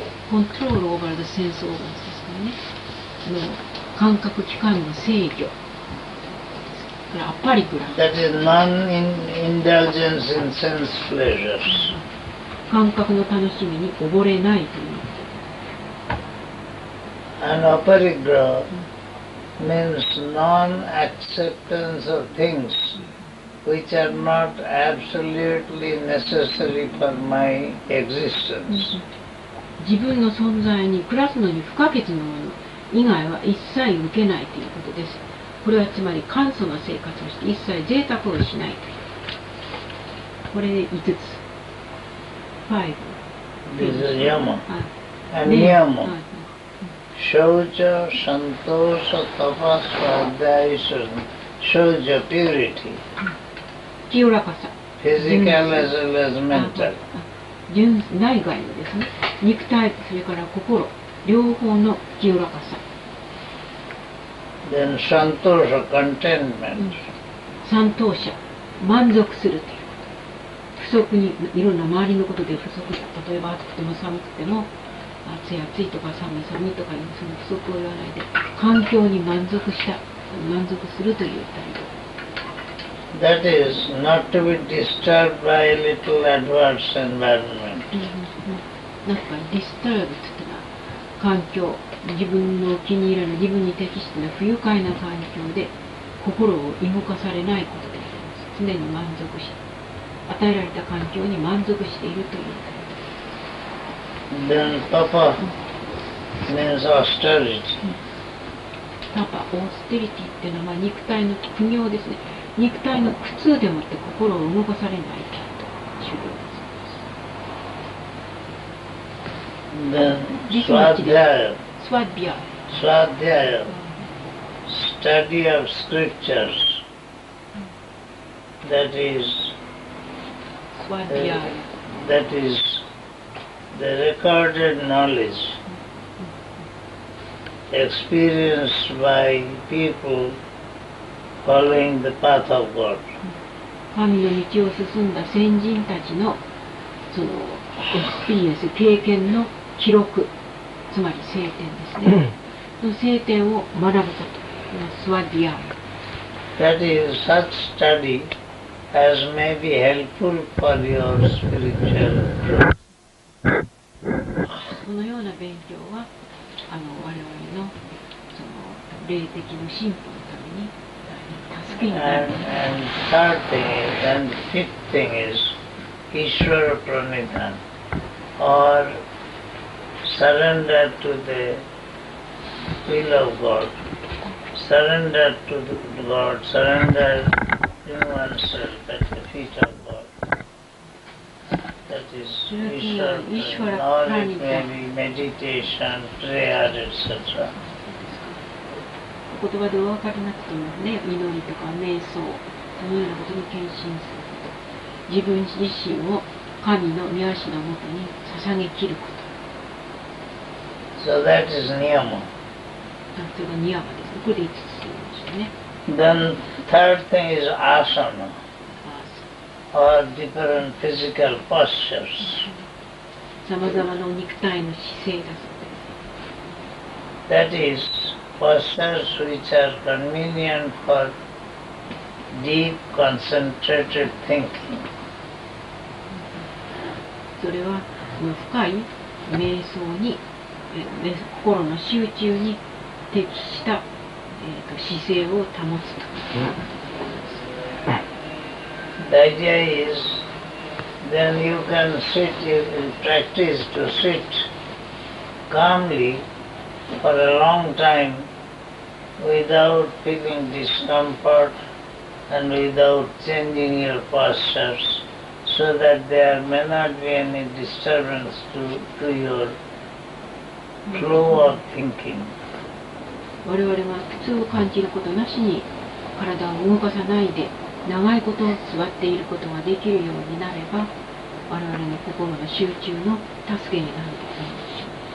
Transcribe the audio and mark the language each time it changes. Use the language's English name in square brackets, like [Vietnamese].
[English] Control over the sense organs [Japanese] ですね。もう感覚器官の制御。やっぱりくら [English] い。That is non-indulgence in sense pleasures. [Japanese] 感覚の楽しみに溺れないという。 [English] An aparigra. Means non-acceptance of things which are not absolutely necessary for my existence. [Japanese] 自分の存在に暮らすのに不可欠なもの以外は一切受けないということです。これはつまり簡素な生活をして一切贅沢をしない。これで5つ。5。 [English] This is Yama. And Niyama. Shaucha, Santosa, Tapas, Vadyayasana, Shaucha, Purity, Physical as well as Mental. [Japanese] 内外のですね、肉体とそれから心、両方の清らかさ。 [English] Then Santosa, Contentment. [Japanese] Santosa, 満足するという。不足に、いろんな周りのことで不足だ。例えば暑くても寒くても、暑いとか寒い寒いとかいうその不足を言わないで環境に満足した満足するという態度。 [English] That is not to be disturbed by a little adverse environment. [Japanese] なんか disturbed っていうのは環境自分の気に入らない自分に適してない不愉快な環境で心を動かされないことであります。常に満足し与えられた環境に満足しているという。 [English] Then tapa means austerity. [Japanese] Tapa, austerity っていうのは肉体の苦行ですね。肉体の苦痛でもって心を動かされないと修行です。 [English] Then swadhyaya. Swadhyaya. Swadhyaya. Study of scriptures. That is. Swadhyaya. That is. The recorded knowledge experienced by people following the path of God. [Japanese] 神の道を進んだ先人たちのそのエクスピリエンス経験の記録、つまり聖典ですね。その聖典を学ぶこと、スワディア。 [English] That is such study as may be helpful for your spiritual growth. [Japanese] このような勉強は我々のその霊的の進歩のために助けになる。 [English] And third thing is, and fifth thing is, Ishvara Pranidhan, or surrender to the will of God, surrender to the God, surrender to oneself at the feet of God. That is Ishvara Pranidhan, or it may be meditation, prayer, etc. [Japanese] 言葉でお分かりなくてもね、祈りとか瞑想そのようなことに献身すること、自分自身を神の御足のもとに捧げ切ること。 [English] So that is niyama. [Japanese] それがニヤマです。ここで5つ言いましたね。 [English] Then third thing is asana or different physical postures. [Japanese] さまざまな肉体の姿勢だそうです。 [English] That isPostures which are convenient for deep concentrated thinking. [Japanese] それは深い瞑想に、心の集中に適した、姿勢を保つと。 [English] The idea is, then you can sit, you can practice to sit calmly for a long time. Without feeling discomfort and without changing your postures, so that there may not be any disturbance to your flow of thinking. [Japanese] 我々は苦痛を感じることなしに体を動かさないで長いこと座っていることができるようになれば、我々の心の集中の助けになるんです。